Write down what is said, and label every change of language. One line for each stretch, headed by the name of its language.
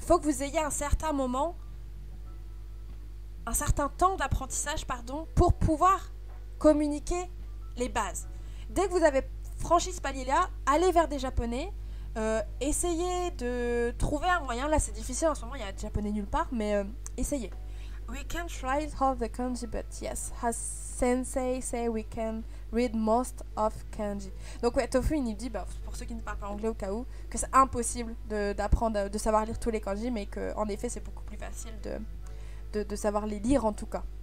French: Il faut que vous ayez un certain temps d'apprentissage, pardon, pour pouvoir communiquer les bases. Dès que vous avez franchi ce palier-là, allez vers des japonais, essayez de trouver un moyen. Là, c'est difficile, en ce moment, il y a des japonais nulle part, mais essayez.
English: We can try all the kanji, but yes, as sensei say, we can read most of kanji.
French: Donc ouais, Tofu, il nous dit, bah, pour ceux qui ne parlent pas anglais au cas où, que c'est impossible d'apprendre, de savoir lire tous les kanji, mais qu'en effet, c'est beaucoup plus facile de savoir les lire, en tout cas.